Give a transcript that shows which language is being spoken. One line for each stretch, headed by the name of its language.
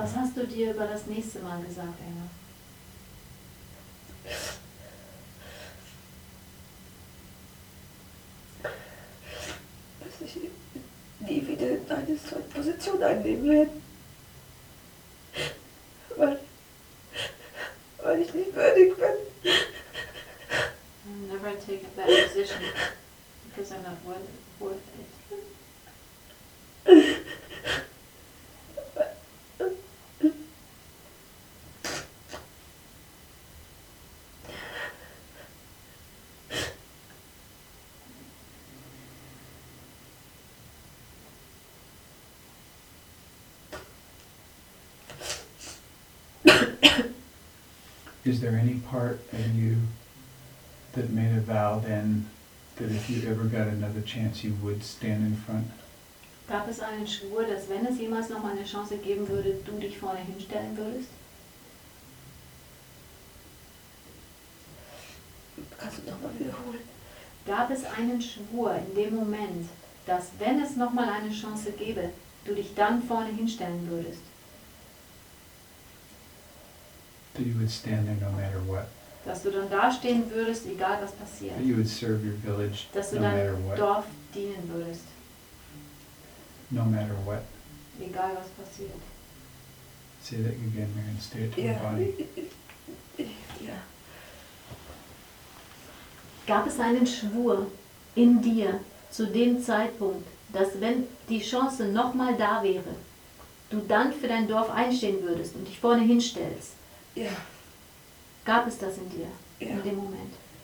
German: Was hast du dir über das nächste Mal gesagt, Eva? Dass ich nie wieder in eine solche Position einnehmen werde. Weil ich nicht würdig bin.
English: I'll never take a bad position because I'm not worth it. Is there any part of you that made a vow then that if you ever got another chance you would stand in front?
German: Gab es einen Schwur, dass wenn es jemals noch eine Chance geben würde, du dich vorne hinstellen würdest? Kannst du nochmal wiederholen? Gab es einen Schwur in dem Moment, dass wenn es nochmal eine Chance gäbe, du dich dann vorne hinstellen würdest?
English: That you would stand there no matter what.
German: Dass du dann da stehen würdest, egal was passiert.
English: That you would serve your village no matter what.
German: Dass du deinem Dorf dienen würdest.
English: No matter what.
German: Egal was passiert.
English: Say that again, Mary, and stay it to your body.
German: Gab es einen Schwur in dir zu dem Zeitpunkt, dass wenn die Chance nochmal da wäre, du dann für dein Dorf einstehen würdest und dich vorne hinstellst? Ja. Gab es das in dir, in dem Moment?